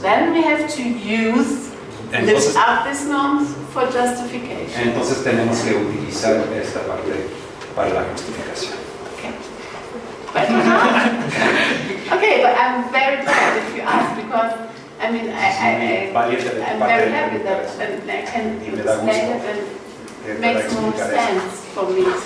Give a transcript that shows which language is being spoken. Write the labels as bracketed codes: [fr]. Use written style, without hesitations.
[en] Then we have to use lift up these norms for justification. [es] Entonces tenemos que utilizar esta parte para la justificación. [en] Okay. But not. Okay, but I'm very glad if you ask because I mean I'm very happy that and I can explain it and makes more sense for me.